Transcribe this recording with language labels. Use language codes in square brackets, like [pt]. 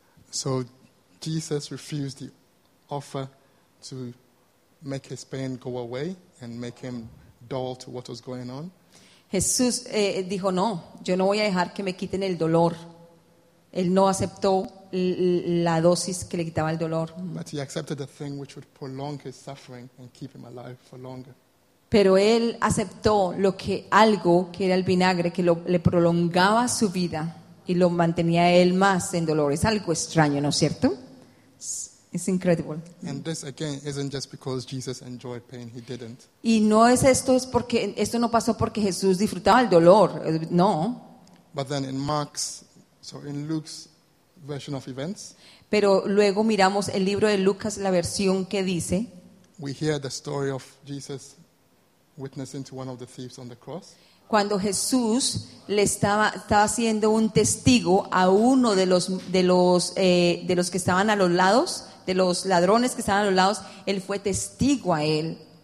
[en] So Jesus refused the offer to make his pain go away and make him dull to what was going on. [es] Jesús dijo no, yo no voy a dejar que me quiten el dolor. Él no aceptó la dosis que le quitaba el dolor. [en] But he accepted the thing which would prolong his suffering and keep him alive for longer. [es] Pero él aceptó algo que era el vinagre que le prolongaba su vida y lo mantenía él más en dolor. Es algo extraño, ¿no es cierto? [en] It's incredible. And this again isn't just because Jesus enjoyed pain, he didn't. [es] Y no es esto, es porque esto no pasó porque Jesús disfrutaba el dolor, no. [en] But then in Mark's, so in Luke's version of events. [es] Pero luego miramos el libro de Lucas, la versión que dice. [en] We hear the story of Jesus witnessing to one of the thieves on the cross. [es] Cuando Jesús le estaba siendo un testigo a uno de los que estaban a los lados, de los ladrones que estaban a los lados, él fue testigo a él.